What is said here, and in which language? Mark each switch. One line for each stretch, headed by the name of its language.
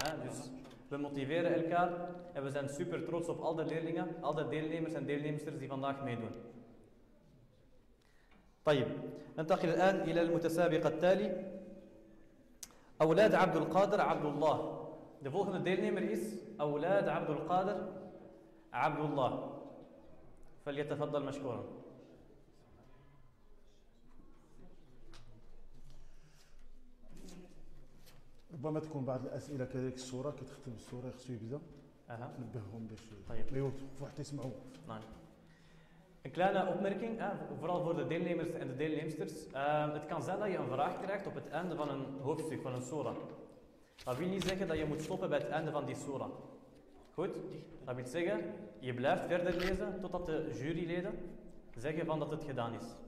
Dutch: Dus we motiveren elkaar en we zijn super trots op al de leerlingen, al de deelnemers en deelnemsters die vandaag meedoen.
Arabic: طيب ننتقل الآن إلى المتسابقة التالي. أولاد عبد القادر عبد الله.
Dutch: The volgende deelnemer is أولاد عبد القادر عبد الله.
Arabic: فليتفضل مشكورا. ربما تكون بعض الأسئلة كذلك الصورة كتختم الصورة يخصو يبدا. أها. نبههم بشوية. طيب. ما يوقفوا حتى يسمعوا. نعم.
Dutch: Een kleine opmerking, vooral voor de deelnemers en de deelnemsters. Het kan zijn dat je een vraag krijgt op het einde van een hoofdstuk, van een sura. Dat wil niet zeggen dat je moet stoppen bij het einde van die sura. Goed? Dat wil zeggen, je blijft verder lezen totdat de juryleden zeggen van dat het gedaan is.